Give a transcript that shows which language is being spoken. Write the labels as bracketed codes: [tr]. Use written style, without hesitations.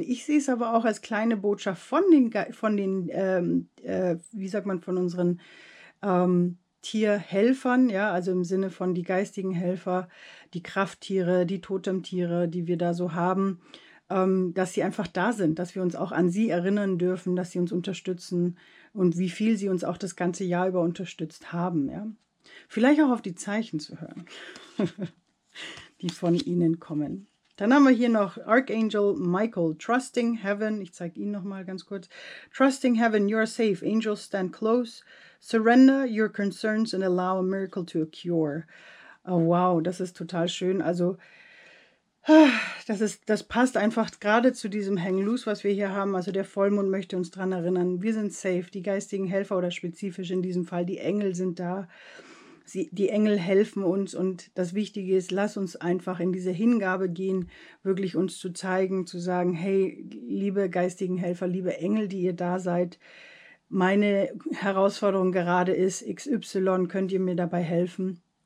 [de] Ich sehe es aber auch als kleine Botschaft von unseren Tierhelfern, ja, also im Sinne von die geistigen Helfer, die Krafttiere, die Totemtiere, die wir da so haben, dass sie einfach da sind, dass wir uns auch an sie erinnern dürfen, dass sie uns unterstützen und wie viel sie uns auch das ganze Jahr über unterstützt haben. Ja. Vielleicht auch auf die Zeichen zu hören, die von ihnen kommen. Dann haben wir hier noch [en] Archangel Michael, Trusting Heaven. [de] Ich zeige ihn noch mal ganz kurz. [en] Trusting Heaven, you are safe. Angels stand close. Surrender your concerns and allow a miracle to occur. [de] Oh, wow, das ist total schön. Also das passt einfach gerade zu diesem Hang Loose, was wir hier haben. Also der Vollmond möchte uns daran erinnern, wir sind safe. Die geistigen Helfer oder spezifisch in diesem Fall, die Engel sind da. Die Engel helfen uns und das Wichtige ist, lass uns einfach in diese Hingabe gehen, wirklich uns zu zeigen, zu sagen, hey, liebe geistigen Helfer, liebe Engel, die ihr da seid, meine Herausforderung gerade ist XY, könnt ihr mir dabei helfen?